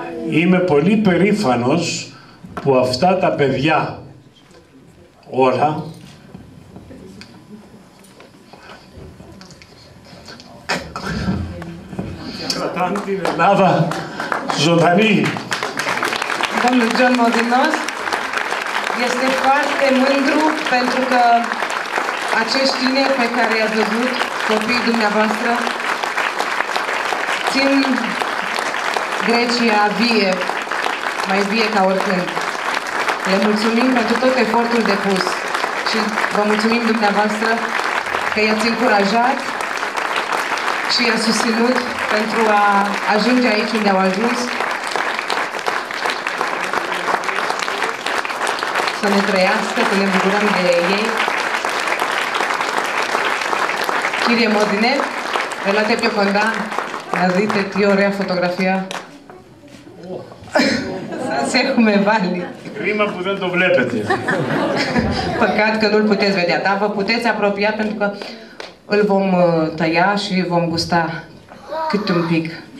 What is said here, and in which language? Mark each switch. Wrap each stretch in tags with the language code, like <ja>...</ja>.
<el>Είμαι πολύ περήφανος που αυτά τα παιδιά όλα κρατάνε την Ελλάδα ζωντανή. Ήταν ο Τζον Μοντινός.</el> <ro>Este foarte mândru pentru că acești tineri pe care i-ați văzut, copiii dumneavoastră, țin Grecia vie, mai vie ca oricând. Le mulțumim pentru tot efortul depus și vă mulțumim dumneavoastră că i-ați încurajat și i-ați susținut pentru a ajunge aici unde au ajuns. Să ne trăiască, să ne bucurăm de ei.</ro> <el>Kyrie Modine, έλατε πιο κοντά να δείτε τι ωραία φωτογραφία. Σας έχουμε βάλει. Κρίμα που δεν το βλέπετε.</el> <ro>Păcat că nu-l puteți vedea, dar vă puteți apropia pentru că îl vom tăia și vom gusta cât un pic.</ro>